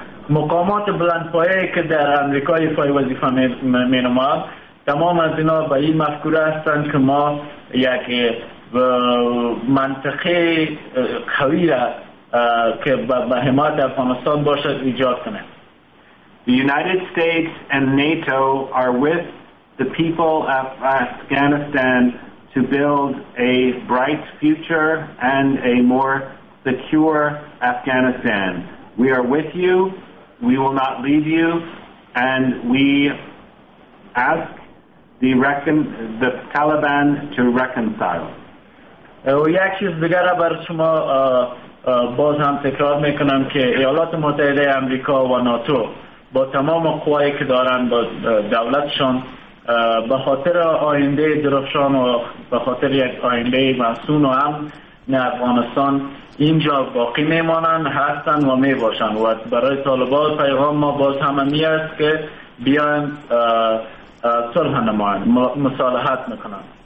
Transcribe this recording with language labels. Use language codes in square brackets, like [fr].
[fa] مقامات بلندپایه که در امریکای پای وظیفه می نماید تمام از اینا به این مفکوره هستند که ما یک منطقه قوی را که به حمایت افغانستان باشد ایجاد کنه. [en] The United States and NATO are with the people of Afghanistan to build a bright future and a more secure Afghanistan. We are with you. We will not leave you, and we ask the Taliban to reconcile. [fa] یک چیز دیگر بر شما باز هم تکرار میکنم که ایالات متحده آمریکا و ناتو با تمام قوایی که دارن با دولتشان به خاطر آینده درخشان و به خاطر یک آینده مسئول و هم نه افغانستان اینجا باقی میمانند هستند و میباشند و برای طالبان پیغام ما باز هم می است که بیان صلح نمایند مصالحت میکنند.